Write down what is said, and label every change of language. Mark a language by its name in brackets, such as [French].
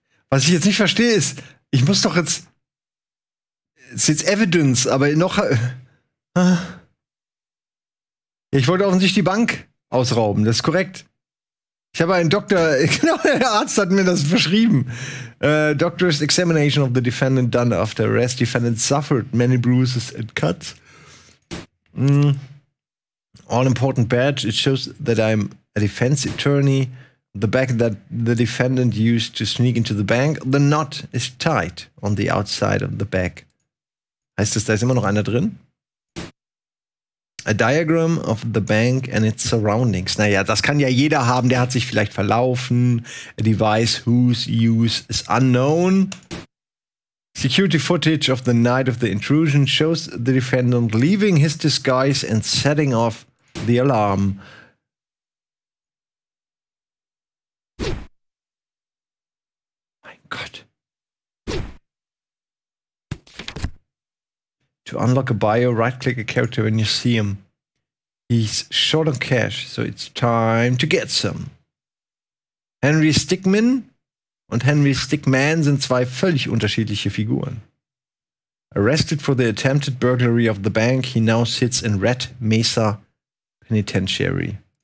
[German] Was ich jetzt nicht verstehe ist, ich muss doch jetzt... Es ist jetzt Evidence, aber noch... Ich wollte offensichtlich die Bank ausrauben, das ist korrekt. Ich habe einen Doktor... Genau, der Arzt hat mir das verschrieben. [English] Doctor's examination of the defendant done after arrest. Defendant suffered many bruises and cuts. All important badge. It shows that I'm a defense attorney. The bag that the defendant used to sneak into the bank. The knot is tight on the outside of the bag. [German] Heißt das, da ist immer noch einer drin? [English] A diagram of the bank and its surroundings. [German] Naja, das kann ja jeder haben. Der hat sich vielleicht verlaufen. [English] A device whose use is unknown. Security footage of the night of the intrusion shows the defendant leaving his disguise and setting off the alarm. To unlock a bio, right-click a character when you see him. He's short on cash, so it's time to get some. [German] Henry Stickmin und Henry Stickman sind zwei völlig unterschiedliche Figuren. [English] Arrested for the attempted burglary of the bank, he now sits in Red Mesa Penitentiary.